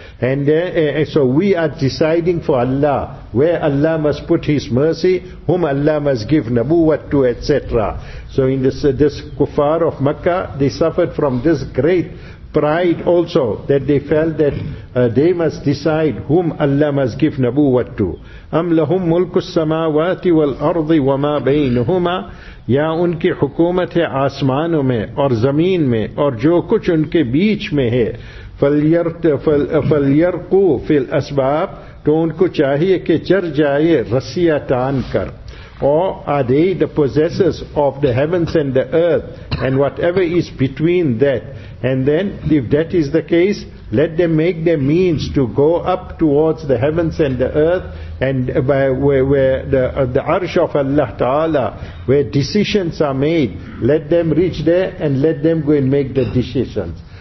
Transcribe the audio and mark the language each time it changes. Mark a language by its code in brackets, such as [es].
[en] And so we are deciding for Allah, where Allah must put His mercy, whom Allah must give Nabuwat to, etc. So in this kuffar of Makkah, they suffered from this great pride also, that they felt that they must decide whom Allah must give nabuwat to. [ar] أَمْ لَهُمْ مُلْكُ السَّمَاوَاتِ وَالْأَرْضِ وَمَا بَيْنُهُمَا [ur] يَا ان کی حکومت ہے آسمانوں میں اور زمین میں اور جو کچھ ان کے بیچ میں ہے. [ar] فَلْيَرْقُوا فِي الْأَسْبَابِ, [ur] تو ان کو چاہیے کہ چر جائے رسیہ تان کر. [en] Or are they the possessors of the heavens and the earth and whatever is between that? And then, if that is the case, let them make their means to go up towards the heavens and the earth, and by where the arsh of Allah Ta'ala, where decisions are made, let them reach there and let them go and make the decisions.